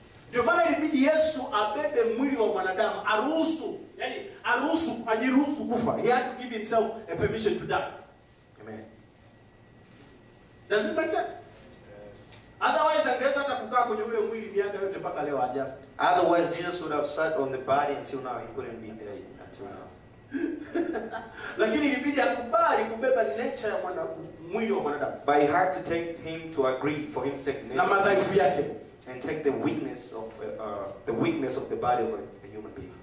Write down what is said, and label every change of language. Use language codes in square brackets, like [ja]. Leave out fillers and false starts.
[sw] Ndio maana ilibidi Yesu abebe mwili wa mwanadamu aruhusu, yani aruhusu ajiruhusu kufa. [en] He had to give himself a permission to die. Amen. Does it make sense? Yes. [sw] Otherwise angeza hata kukaa kwenye ule mwili miaka yote mpaka leo hajafa. [en] Otherwise Jesus would have sat on the body until now, he couldn't be there until now. [sw] Lakini ilibidi akubali kubeba nature ya mwili wa mwanadamu. [en] By heart to take him to agree for him to take nature. [sw] Na madhaifu yake. [en] And take the weakness of the body of a human being.